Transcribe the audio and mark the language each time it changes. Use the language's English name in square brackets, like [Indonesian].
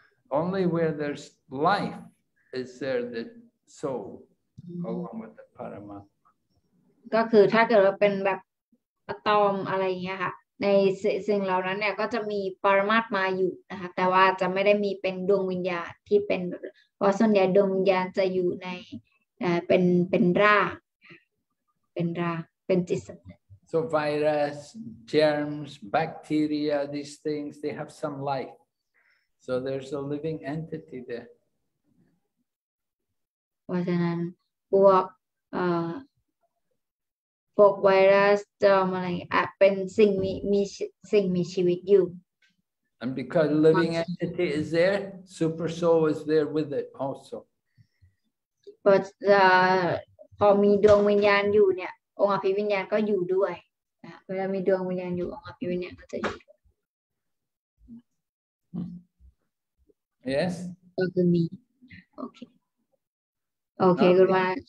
[English] Only where there's life is there the soul along with the Paramatma. [Thai] ก็คือถ้าเกิดว่าเป็นแบบอะตอมอะไรอย่างเงี้ยค่ะในสิ่งเหล่านั้นเนี่ยก็จะมีปรมัตมาอยู่นะคะแต่ว่าจะไม่ได้มีเป็นดวงวิญญาณที่เป็นเพราะส่วนใหญ่ดวงวิญญาณจะอยู่ในเป็นร่างเป็นจิตสัมผัส [English] So virus, germs, bacteria, these things, they have some life. So there's a living entity there. What's that? [Thai] พวก virus, germ, อะไร เป็น สิ่งมีชีวิตอยู่ [English] And because living entity is there, super soul is there with it also. [Thai] But พอมีดวงวิญญาณอยู่เนี่ยองค์อภิวิญญาณก็อยู่ด้วยเวลามีดวงวิญญาณอยู่องค์อภิวิญญาณก็จะอยู่ [English] Yes [Thai] ก็คือมีโอเคโอเคคุณมา